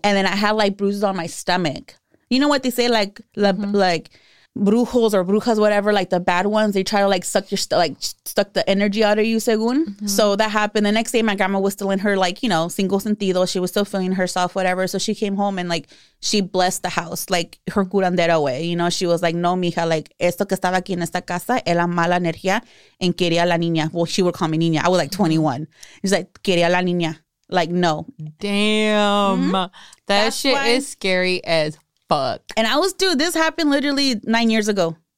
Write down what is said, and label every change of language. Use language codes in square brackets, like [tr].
[en] And then I had like bruises on my stomach. You know what they say? Like, like brujos or brujas, whatever, like the bad ones, they try to like suck your suck the energy out of you, según. So that happened. The next day, my grandma was still in her, like, you know, single sentido. She was still feeling herself, whatever. So she came home and like she blessed the house, like her curandera way, you know. She was like, [es] no, mija, like esto que estaba aquí en esta casa era mala energía y quería la niña. [en] Well, she would call me niña. I was like 21. She's like, [es] quería la niña. [en] Like, no. Damn. That shit is scary as fuck. And I was, dude, this happened literally 9 years ago.